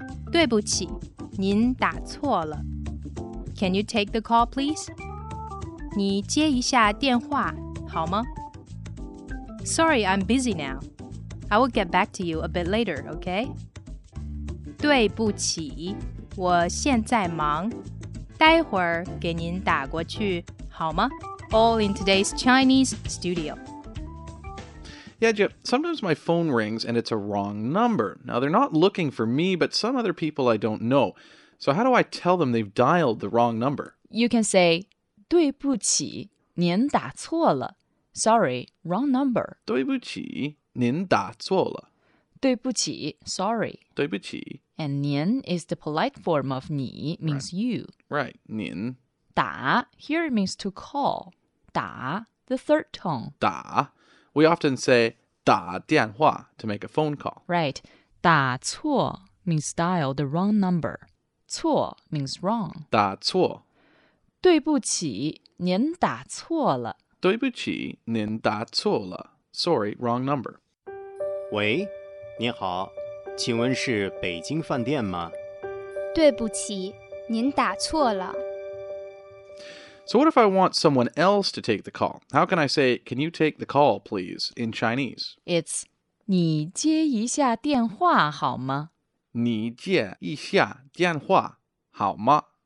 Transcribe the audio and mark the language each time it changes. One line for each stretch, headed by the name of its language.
Chinese: 对不起，您打错了。
English: Can you take the call, please?
Chinese: 你接一下电话，好吗？
English: Sorry, I'm busy now. I will get back to you a bit later, okay?
Chinese: 对不起，我现在忙。待会儿给您打过去，好吗？
English: All in today's Chinese studio. Yeah, Jeff, sometimes my phone rings and it's a wrong number. Now, they're not looking for me, but some other people I don't know. So how do I tell them they've dialed the wrong number? You can say,
Chinese: 对不起,您打错了。
English: Sorry, wrong number.
Chinese: 对不起,您打错了。对不起,
English: sorry.
Chinese: 对不起。
English: And 您 is the polite form of 你, means You. Right, 您。打, here it means to call. 打, the third tone. 打。We often say 打电话 to make a phone call. Right. 打错 means dial the wrong number. 错 means wrong.
Chinese: 打错。对不起，您打错了。对不起，您打错了。
English: Sorry, wrong number.
Chinese: 喂，您好，请问是北京饭店吗？对不起，您打错了。
English: So what if I want someone else to take the call? How can I say, can you take the call, please, in Chinese? It's
Chinese: 你接一下电话好吗? 你接一下电话好吗?